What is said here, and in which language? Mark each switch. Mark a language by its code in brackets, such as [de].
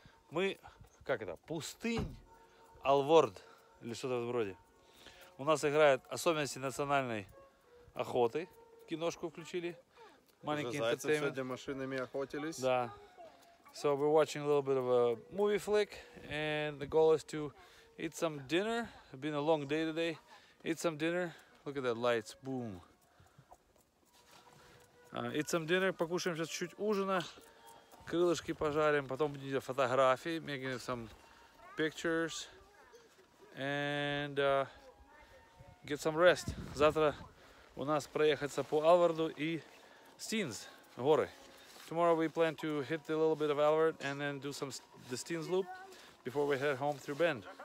[ru] Мы, как это, пустынь Alvar или что-то в этом роде. У нас играют особенности национальной охоты. Киношку включили. Маленький интертеймент. Сегодня машинами охотились. Да. [en] So we're watching a little bit of a movie flick, and the goal is to eat some dinner. Been a long day today. Eat some dinner. Look at that lights, boom. Eat some dinner, [ru] покушаем сейчас чуть-чуть ужина. Крылышки пожарим, потом будем фотографии, [en] making some pictures. And get some rest. [ru] Завтра у нас проехаться по Алварду и Steens, горы. [en] Tomorrow we plan to hit a little bit of Alvard and then do some the Steens loop before we head home through Bend.